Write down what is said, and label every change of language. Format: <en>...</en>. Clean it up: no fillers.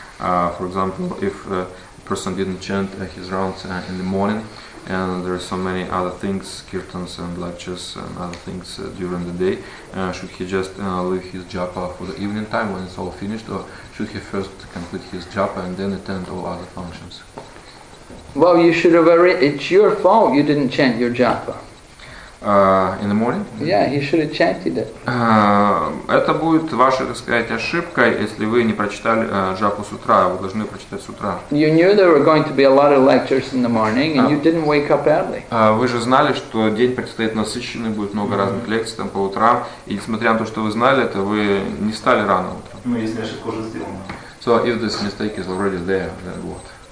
<en>For example, if a person didn't chant his rounds in the morning, and there are so many other things, kirtans and lectures and other things during the day, should he just leave his japa for the evening time when it's all finished, or should he first complete his japa and then attend all other functions? Well, you should have arranged. It's your fault you didn't chant your japa. In the morning? Yeah, he should have chanted it.</en> <ru>Это будет ваша, так сказать, ошибка, если вы не прочитали джапу с утра, вы должны прочитать с утра.</ru> <en>You knew there were going to be a lot of lectures in the morning, and you didn't wake up early.</en> <ru>Вы же знали, что день предстоит насыщенный, будет много разных лекций там по утрам, и несмотря на то, что вы знали это, вы не встали рано утром. Ну, если ошибка уже сделана.</ru> <en>So, if this mistake is already there, then what?</en>